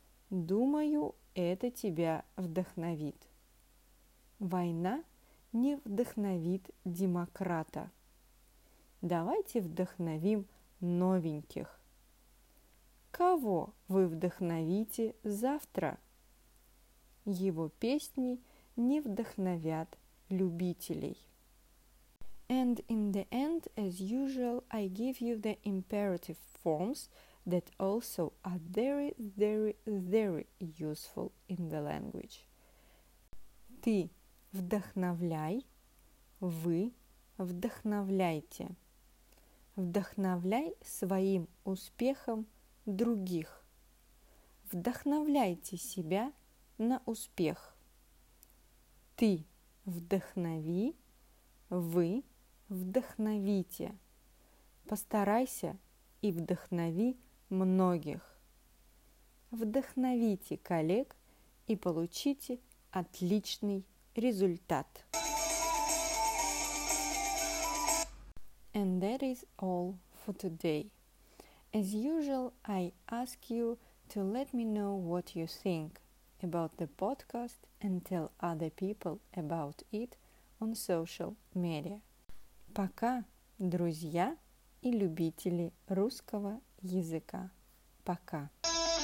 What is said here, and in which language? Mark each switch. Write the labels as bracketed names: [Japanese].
[Russian] Думаю, это тебя вдохновит. Война не вдохновит демократа. Давайте вдохновим новеньких. Кого вы вдохновите завтра? Его песни не вдохновят любителей. [English] And in the end, as usual, I give you the imperative forms that also are very, very, very useful in the language. [Russian] Ты вдохновляй, вы вдохновляйте. Вдохновляй своим успехом других. Вдохновляйте себя на успех. Ты вдохнови, вы вдохновите. Постарайся и вдохнови многих. Вдохновите коллег и получите отличный результат. [English] And that is all for today. As usual, I ask you to let me know what you think about the podcast and tell other people about it on social media. [Russian] Пока, друзья и любители русского языка. Пока.